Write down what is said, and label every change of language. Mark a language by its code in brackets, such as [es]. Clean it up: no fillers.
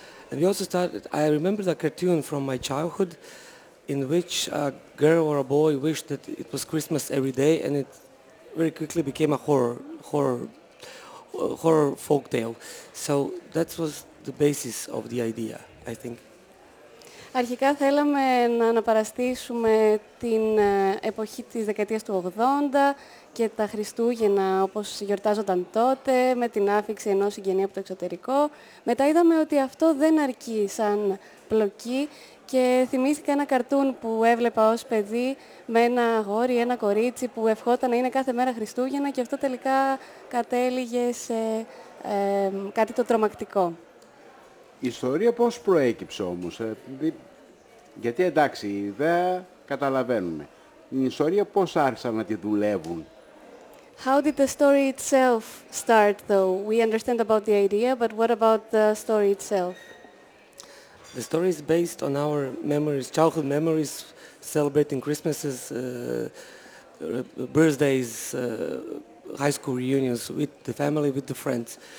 [en] And we also started, I remember the cartoon from my childhood in which a girl or a boy wished that it was Christmas every day, and it very quickly became a horror folk tale. So that was the basis of the idea, I think. [el] Αρχικά θέλαμε να αναπαραστήσουμε την εποχή της δεκαετίας του 80 και τα Χριστούγεννα όπως γιορτάζονταν τότε, με την άφιξη ενός συγγενή από το εξωτερικό. Μετά είδαμε ότι αυτό δεν αρκεί σαν πλοκή και θυμήθηκα ένα καρτούν που έβλεπα ως παιδί με ένα αγόρι, ένα κορίτσι που ευχόταν να είναι κάθε μέρα Χριστούγεννα και αυτό τελικά κατέληγε σε κάτι το τρομακτικό. Η ιστορία πώς προέκυψε όμως, γιατί εντάξει, η ιδέα καταλαβαίνουμε. Η ιστορία πώς άρχισαν να τη δουλεύουν. [en] How did the story itself start though? We understand about the idea, but what about the story itself? The story is based on our memories, childhood memories, celebrating Christmases, birthdays, high school reunions with the family, with the friends.